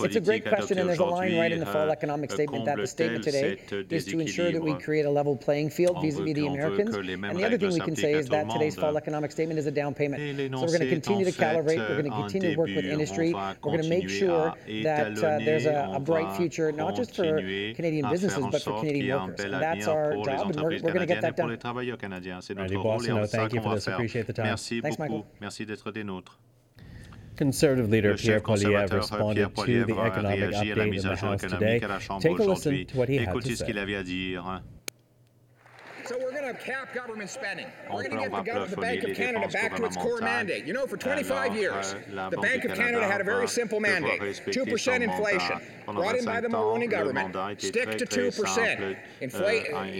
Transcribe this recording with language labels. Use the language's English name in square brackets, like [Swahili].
[English] It's a great question, and there's a line right in the fall economic statement that the statement today is to ensure that we create a level playing field vis-a-vis the Americans. And the other thing we can say is that today's fall economic statement is a down payment. So we're going to continue to calibrate, we're going to continue to work with industry, we're going to make sure that there's a bright future, not just for Canadian businesses, but for Canadian workers. And that's our job, and we're going to get that. [French] Pour les travailleurs canadiens, c'est notre rôle et on sait ce qu'on va faire. Merci beaucoup. Merci d'être des nôtres. [English] Conservative leader Pierre Poilievre responded to the economic update in the House today. Take a listen to what he had to say. So we're going to cap government spending. We're going to get the Bank of Canada back to its core mandate. You know, for 25 years, the Bank of Canada had a very simple mandate, 2% inflation, brought in by the Mulroney government, stick to 2%.